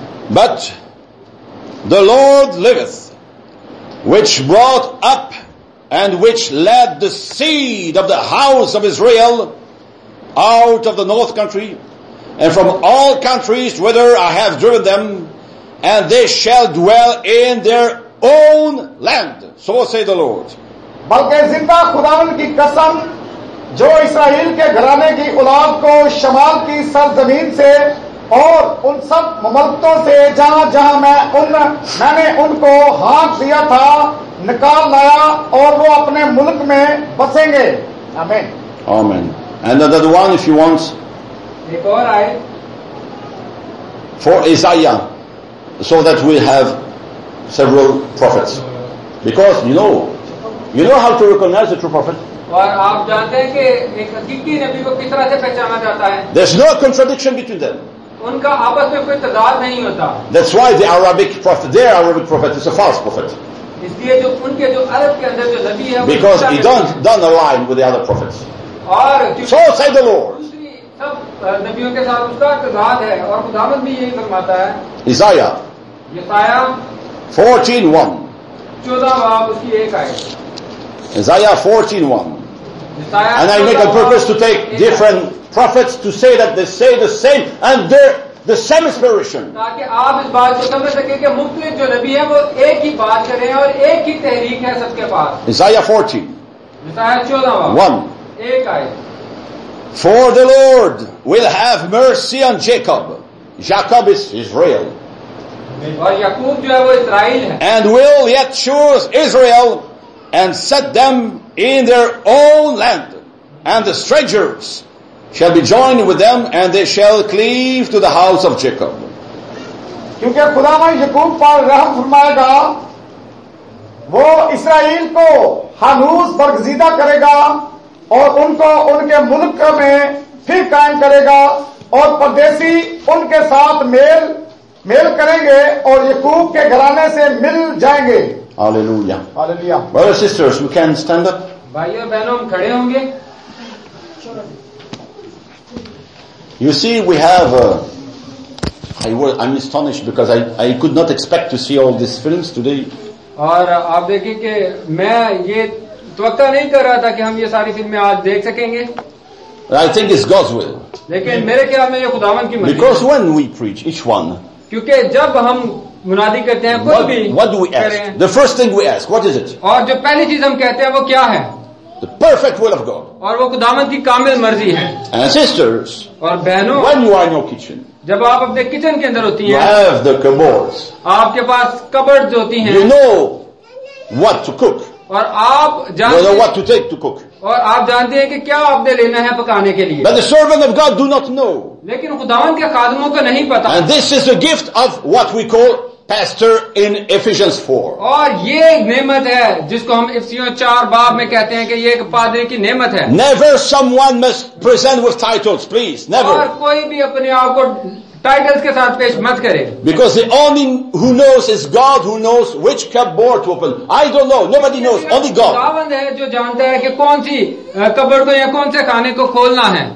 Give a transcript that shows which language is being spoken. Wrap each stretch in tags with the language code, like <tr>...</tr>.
<en>But the Lord liveth, which brought up and which led the seed of the house of Israel out of the north country and from all countries whither I have driven them, and they shall dwell in their own land. So say the Lord.</en> <hi>बल्कि जिंदा खुदावन की कसम जो इस्राएल के घराने की औलाद को शमाल की सरजमीन से और उन सब ममलकतों से जहां जहां मैंने उनको हाथ दिया था निकाल लाया और वो अपने मुल्क में बसेंगे। आमीन।</hi> <en>आमीन। And the other one if you wants</en> <hi>एक और आए</hi> <en>For Isaiah so that we have several prophets because you know how to recognise a true prophet.</en> <hi>और आप जानते हैं कि एक हकीकी नबी को किस तरह से पहचाना जाता है।</hi> <en>There is no contradiction between them.</en> <hi>उनका आपस में कोई तदाद नहीं होता।</hi> <en>That's why the Arabic prophet, their Arabic prophet is a false prophet.</en> <hi>इसलिए जो उनके जो अरब के अंदर जो नबी है,</hi> <en>because he don't align with the other prophets.</en> <hi>और</hi> <en>so say the Lord.</en> <hi>सब नबियों के साथ उसका तदाद है और खुदावंद भी यही फरमाता है।</hi> <en>Isaiah.</en> <hi>यसाया</hi> <en>14:1.</en> <hi>14 बाब उसकी एक आयत।</hi> <en>Isaiah 14:1. And I make a purpose to take different prophets to say that they say the same and their the same inspiration. Isaiah 40. One. For the Lord will have mercy on Jacob. Jacob is Israel. And will yet choose Israel and set them in their own land. And the strangers shall be joined with them, and they shall cleave to the house of Jacob.</en> <hi>क्योंकि खुदावन यकूब पर रहम फरमाएगा, वो इस्राएल को हनूस बरगजीदा करेगा और उनको उनके मुल्क में फिर कायम करेगा और परदेशी उनके साथ मेल करेंगे और यकूब के घराने से मिल जाएंगे.</hi> <en>Hallelujah. Hallelujah. Brothers and sisters, you can stand up.</en> <hi>भाइयों बहनों हम खड़े होंगे.</hi> <en>You see, we have. I'm astonished because I could not expect to see all these films today.</en> <hi>और आप देखिए कि मैं ये त्वक्का नहीं कर रहा था कि हम ये सारी फिल्में आज देख सकेंगे.</hi> <en>I think it's God's will.</en> <hi>लेकिन मेरे ख्याल में ये खुदावन की मर्जी.</hi> <en>Because when we preach each one.</en> <hi>क्योंकि जब हम मुनादी करते हैं कोई भी.</hi> <en>What do we ask? The first thing we ask, what is it?</en> <hi>और जो पहली चीज हम कहते हैं वो क्या है?</hi> <en>The perfect will of God.</en> <hi>और वो खुदावन की कामिल मर्जी है.</hi> <en>And sisters,</en> <hi>और बहनों,</hi> <en>when you are in your kitchen,</en> <hi>जब आप अपने किचन के अंदर होती हैं,</hi> <en>you have the cupboards,</en> <hi>आपके पास कबर्ड्स होती हैं,</hi> <en>you know what to cook,</en> <hi>और आप जानते,</hi> <en>you know what to take to cook,</en> <hi>और आप जानते हैं कि क्या आपने लेना है पकाने के लिए.</hi> <en>But the servant of God do not know.</en> <hi>लेकिन खुदावन के खादिमों को नहीं पता.</hi> <en>And this is a gift of what we call Pastor in Ephesians 4.</en> <hi>और ये एक नेमत है जिसको हम इफिसियों 4 बाब में कहते हैं कि ये एक पादरी की नेमत है.</hi> <en>Never someone must present with titles, please. Never.</en> <hi>और कोई भी अपने आप को टाइटल्स के साथ पेश मत करे.</hi> <en>Because the only who knows is God who knows which cupboard to open. I don't know. Nobody knows. Only God.</en> <hi>खुदावंद है जो जानता है कि कौन सी कबर को या कौन से खाने को खोलना है.</hi>